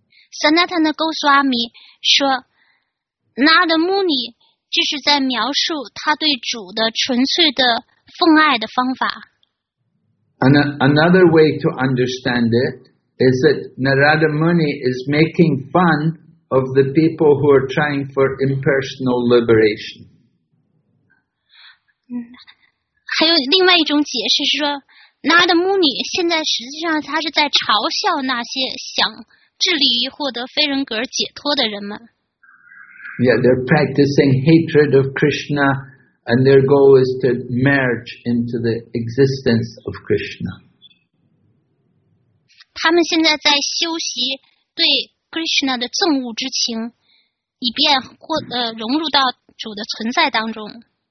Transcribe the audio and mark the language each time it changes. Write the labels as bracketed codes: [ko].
[zh] Sanatana Goswami 说 ，Narada Muni 这是在描述他对主的纯粹的奉爱的方法。 [en] Another way to understand it is that Narada Muni is making fun. Of the people who are trying for impersonal liberation. [zh] 还有另外一种解释是说，那的母女现在实际上她是在嘲笑那些想致力于获得非人格解脱的人们。 [en] Yeah, they're practicing hatred of Krishna, and their goal is to merge into the existence of Krishna. [zh] 他们现在在修习对 Krishna 的憎恶之情，以便获融入到主的存在当中。